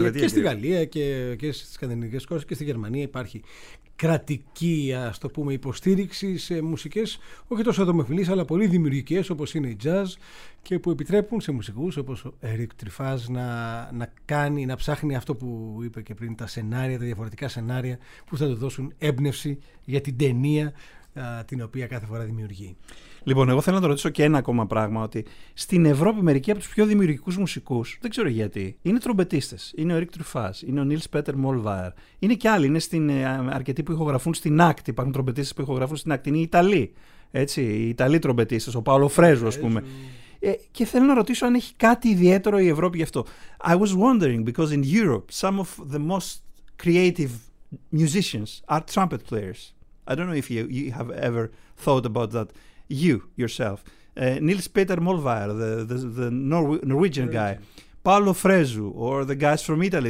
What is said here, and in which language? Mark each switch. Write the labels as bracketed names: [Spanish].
[Greek] Και στη Γαλλία και στις σκανδιναβικές χώρες και στη Γερμανία υπάρχει κρατική, ας το πούμε, υποστήριξη σε μουσικές, όχι τόσο δομοφιλείς, αλλά πολύ δημιουργικές όπως είναι η jazz και που επιτρέπουν σε μουσικούς όπως ο Eric Truffaz να κάνει, να ψάχνει αυτό που είπε και πριν, τα σενάρια, τα διαφορετικά σενάρια που θα του δώσουν έμπνευση για την ταινία την οποία κάθε φορά δημιουργεί. Λοιπόν, εγώ θέλω να το ρωτήσω και ένα ακόμα πράγμα, ότι στην Ευρώπη μερικοί από τους πιο δημιουργικούς μουσικούς, δεν ξέρω γιατί, είναι τρομπετίστες. Είναι ο Eric Truffaz, είναι ο Nils Petter Mollweier. Είναι και άλλοι, είναι αρκετοί που ηχογραφούν στην ACT. Υπάρχουν τρομπετίστες που ηχογραφούν στην ACT. Είναι οι Ιταλοί. Έτσι, οι Ιταλοί τρομπετίστες, ο Παόλο Φρέζου, ας πούμε. Και θέλω να ρωτήσω αν έχει κάτι ιδιαίτερο η Ευρώπη γι' αυτό. [English] I was wondering, because in Europe, some of the most creative musicians are trumpet players. I don't know if you have ever thought about that. You yourself, Nils Petter Mollweier, the Norwegian guy, Paolo Frezu, or the guys from Italy.